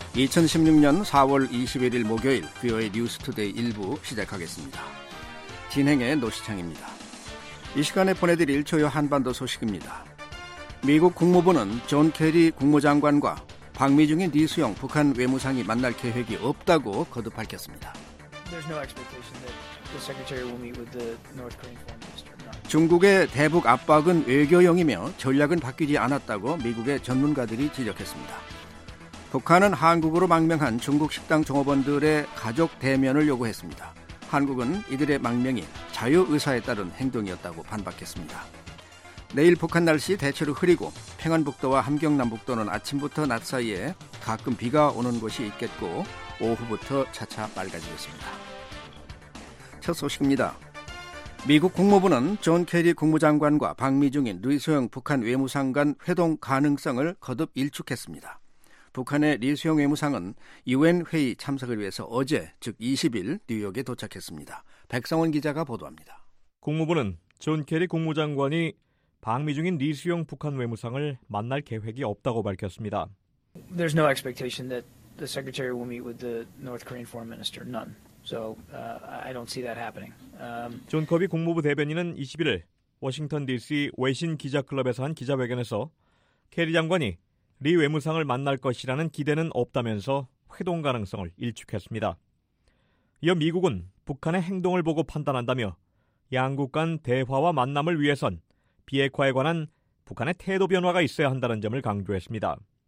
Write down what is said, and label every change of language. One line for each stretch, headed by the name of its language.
Korean: 2016년 4월 21일 목요일 비오에이 뉴스 투데이 1부 시작하겠습니다. 진행의 노시창입니다. 이 시간에 보내드릴 주요 한반도 소식입니다. 미국 국무부는 존 케리 국무장관과 방미 중인 리수영 북한 외무상이 만날 계획이 없다고 거듭 밝혔습니다.
English: There's no expectation that the secretary will meet with the North Korean foreign minister.
Korean: 중국의 대북 압박은 외교용이며 전략은 바뀌지 않았다고 미국의 전문가들이 지적했습니다. 북한은 한국으로 망명한 중국 식당 종업원들의 가족 대면을 요구했습니다. 한국은 이들의 망명이 자유의사에 따른 행동이었다고 반박했습니다. 내일 북한 날씨 대체로 흐리고 평안북도와 함경남북도는 아침부터 낮 사이에 가끔 비가 오는 곳이 있겠고 오후부터 차차 맑아지겠습니다. 첫 소식입니다. 미국 국무부는 존 케리 국무장관과 방미 중인 리수영 북한 외무상 간 회동 가능성을 거듭 일축했습니다. 북한의 리수영 외무상은 UN 회의 참석을 위해서 어제, 즉 20일 뉴욕에 도착했습니다. 백성원 기자가 보도합니다. 국무부는 존 케리 국무장관이 방미 중인 리수영 북한 외무상을 만날 계획이 없다고 밝혔습니다.
English: There's no expectation that the secretary will meet with the North Korean foreign minister. None. So I don't see that happening.
Korean: 존 커비 국무부 대변인은 21일 워싱턴 DC 외신 기자클럽에서 한 기자회견에서 케리 장관이 리 외무상을 만날 것이라는 기대는 없다면서 회동 가능성을 일축했습니다. 이어 미국은 북한의 행동을 보고 판단한다며 양국 간 대화와 만남을 위해선 비핵화에 관한 북한의 태도 변화가 있어야 한다는 점을 강조했습니다.